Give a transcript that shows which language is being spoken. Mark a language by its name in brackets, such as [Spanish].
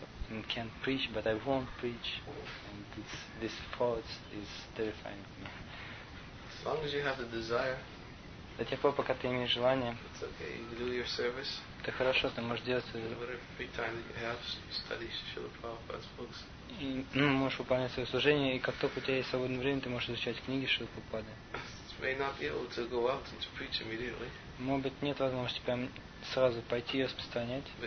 [English] And can't preach, but I won't preach, and this thought is terrifying me. As long as you have the desire. [Russian] До тех пор, пока ты имеешь желание. [English] It's okay. You do your service. [Russian] Ты хорошо, ты можешь делать. [English] Whatever free time that you have, study Srila Prabhupada's books. [Russian] И можешь выполнять свое служение, и как только у тебя есть свободное время, ты можешь изучать книги Шрилы Прабхупады. [English] May not be able to go out and to preach immediately. [Russian] Может быть, нет возможности прям сразу пойти и распространять.